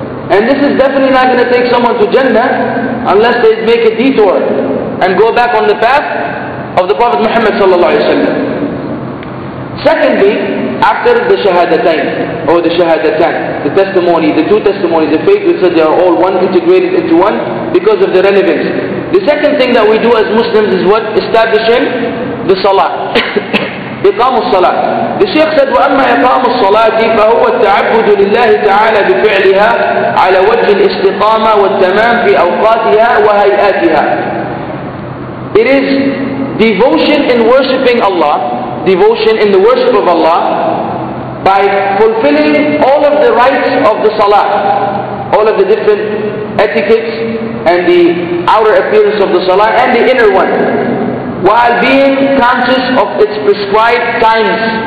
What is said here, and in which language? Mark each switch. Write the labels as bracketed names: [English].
[English] And this is definitely not going to take someone to Jannah unless they make a detour and go back on the path of the Prophet Muhammad sallallahu alaihi wasallam. Secondly, after the shahadatayn, or the shahadatayn, the testimony, the two testimonies, the faith, we said they are all one, integrated into one, because of the relevance. The second thing that we do as Muslims is what? Establishing the salah. Iqamu salah. The Shaykh said, [Arabic] وَأَمَّا إِقَامُ الصَّلَاةِ فَهُوَ التَّعَبُّدُ لِلَّهِ تَعَالَى بِفِعْلِهَا عَلَى وَجْهِ الْإِسْتِقَامَةِ وَالْتَمَامِ فِي أَوْقَاتِهَا وَهَيْئَاتِهَا. [English] It is devotion in worshipping Allah, devotion in the worship of Allah, by fulfilling all of the rites of the salah, all of the different etiquettes and the outer appearance of the salah and the inner one, while being conscious of its prescribed times.